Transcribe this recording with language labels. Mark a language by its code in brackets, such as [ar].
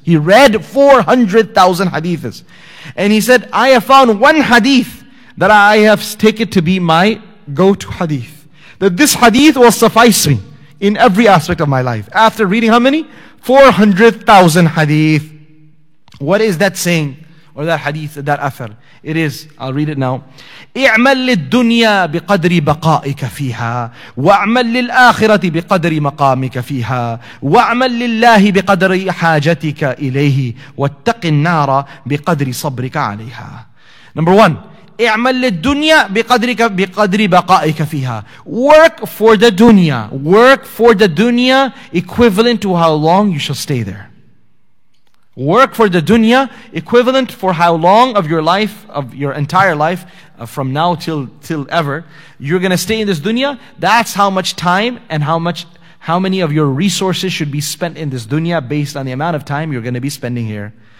[en] He read 400,000 hadiths. And he said, I have found one hadith that I have taken to be my go-to hadith. That this hadith will suffice me in every aspect of my life. After reading how many? 400,000 hadith. What is that saying? Or that hadith, that athar? It is, I'll read it now. [ar] اعمل للدنيا بقدر بقائك فيها واعمل للآخرة بقدر مقامك فيها واعمل لله بقدر حاجتك إليه واتق النار بقدر صبرك عليها. [en] Number one, [ar] اعمل للدنيا بقدر بقائك فيها. [en] Work for the dunya. Work for the dunya equivalent to how long you shall stay there. Work for the dunya equivalent for how long of your life, of your entire life, from now till ever, you're going to stay in this dunya. That's how much time and how many of your resources should be spent in this dunya based on the amount of time you're going to be spending here.